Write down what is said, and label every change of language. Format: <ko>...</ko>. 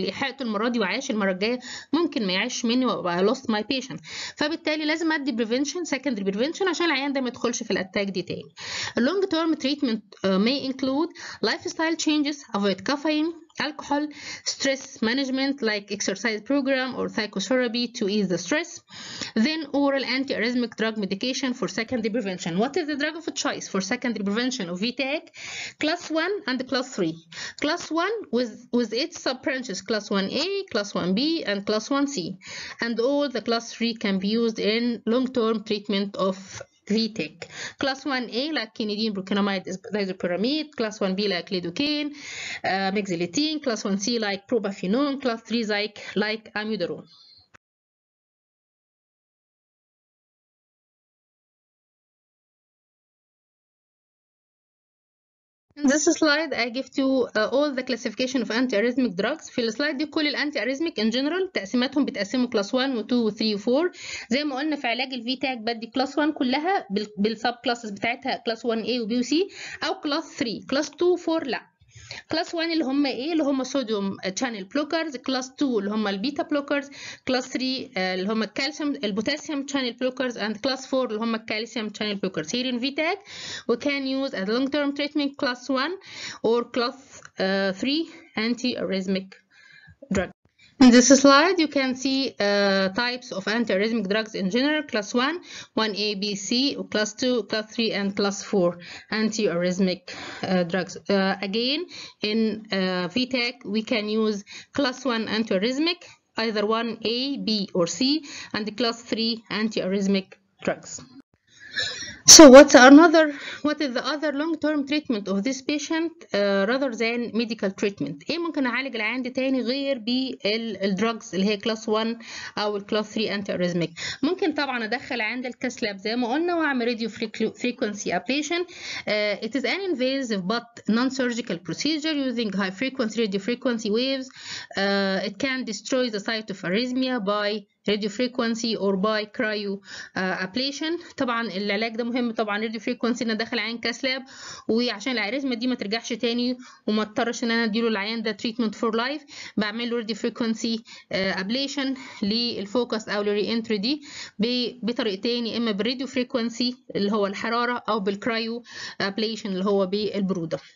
<ar>لحقته المرة دي وعاش المرة الجاية ممكن ما يعيش مني وابقى</ar> <en>I lost my patient.</en> <ar>فبالتالي لازم ادي</ar> <en>prevention, secondary prevention</en> <ar>عشان العيان ده ما يدخلش في الاتاك دي تاني.</ar> <en>Long term treatment may include lifestyle changes, avoid caffeine, alcohol, stress management like exercise program or psychotherapy to ease the stress, then oral antiarrhythmic drug medication for secondary prevention. What is the drug of choice for secondary prevention of VTAC? Class 1 and class 3. Class 1 with its sub-branches, class 1A, class 1B, and class 1C. And all the class 3 can be used in long-term treatment of VTAC. Class 1A like quinidine, brecanamide, disopyramide. Class 1B like lidocaine, mexiletine. Class 1C like probafenone. Class 3 like amiodarone. In this slide, I give you all the classification of antiarrhythmic drugs.</en> <ar>في السلايد دي كل الانتيارrhythmic in general تقسيماتهم بتقسموا class 1 و 2 و 3 و 4. زي ما قلنا في علاج الـ VTAC بدي class 1 كلها بالسب classes بتاعتها class 1A و B و C أو class 3. class 2 و 4 لا. class 1 اللي هم ايه؟ اللي هم sodium channel blockers. class 2 اللي هم البيتا blockers. class 3 اللي هم الكالسيوم البوتاسيوم channel blockers.</ar> <en>and class 4</en> <ar>اللي هم الكالسيوم</ar> <en>channel blockers. here in VTAC we can use as long term treatment class 1 or class 3 antiarrhythmic drug. In this slide, you can see types of antiarrhythmic drugs in general, class 1, 1A, B, C, class 2, class 3, and class 4 antiarrhythmic drugs. Again, in VTAC, we can use class 1 antiarrhythmic, either 1A, B, or C, and the class 3 antiarrhythmic drugs. So what is the other long-term treatment of this patient rather than medical treatment?</en> <ar>ايه ممكن اعالج العيان دي تاني غير بالدراجز اللي هي class 1 او class 3 antiarrhythmic؟ ممكن طبعا ادخل عند الكاس لاب زي ما قلنا واعمل radio frequency ablation.</ar> <en>It is an invasive but non-surgical procedure using high frequency radio frequency waves. It can destroy the site of arrhythmia by radio frequency or by cryo ablation.</en> <ar>طبعا العلاج ده مهم طبعا، راديو فريكوانسي انا داخل عين كاسلاب وعشان الاريزما دي ما ترجعش تاني وما اضطرش ان انا اديله العيان ده تريتمنت فور لايف، بعمل له راديو فريكوانسي ابليشن للفوكس او للري انتري دي بطريقتين، يا اما بالراديو فريكوانسي اللي هو الحراره او بالكرايو ابليشن اللي هو بالبروده.</ar>